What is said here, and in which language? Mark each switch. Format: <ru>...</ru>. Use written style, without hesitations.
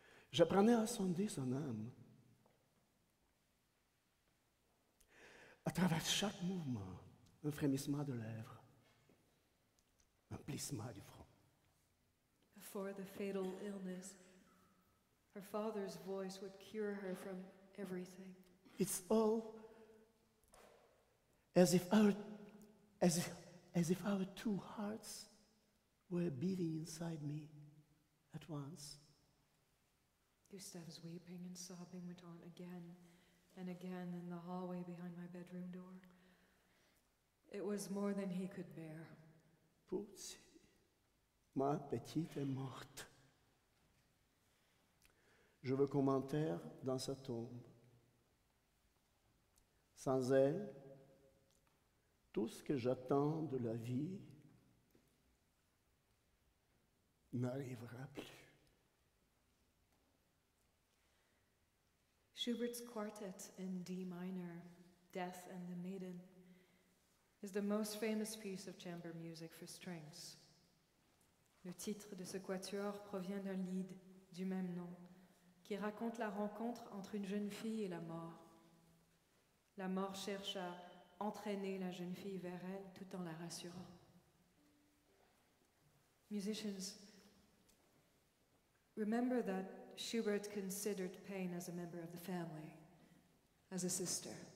<fr>J'apprenais à sonder son âme à travers chaque mouvement, un frémissement de lèvres, un plissement du front.</fr> <en>Before the fatal illness, her father's voice would cure her from everything. It's all as if our two hearts were beating inside me at once. Gustav's weeping and sobbing went on again and again in the hallway behind my bedroom door. It was more than he could bear.</en> <fr>Puzzi, ma petite est morte. Je veux qu'on m'enterre dans sa tombe. Sans elle, tout ce que j'attends de la vie n'arrivera plus.</fr> <en>Schubert's quartet in D minor, Death and the Maiden, is the most famous piece of chamber music for strings.</en> <fr>Le titre de ce quatuor provient d'un lied du même nom qui raconte la rencontre entre une jeune fille et la mort. La mort cherche à entraîner la jeune fille vers elle tout en la rassurant.</fr> <en>Musicians, remember that Schubert considered pain as a member of the family, as a sister.</en>